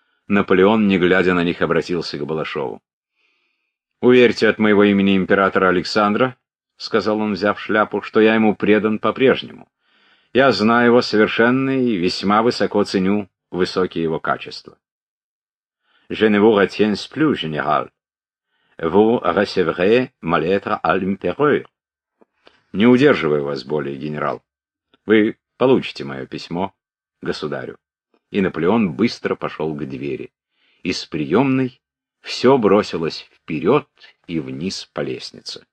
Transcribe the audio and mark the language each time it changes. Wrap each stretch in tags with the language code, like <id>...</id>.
<ru>Наполеон, не глядя на них, обратился к Балашову. «Уверьте от моего имени императора Александра, — сказал он, взяв шляпу, — что я ему предан по-прежнему. Я знаю его совершенно и весьма высоко ценю высокие его качества».</ru> <fr>«Je ne vous retiens plus, général. Vous recevrez ma lettre à l'impérateur».</fr> <ru>«Не удерживаю вас более, генерал. Вы получите мое письмо государю». И Наполеон быстро пошел к двери. Из приемной все бросилось вперед и вниз по лестнице.</ru>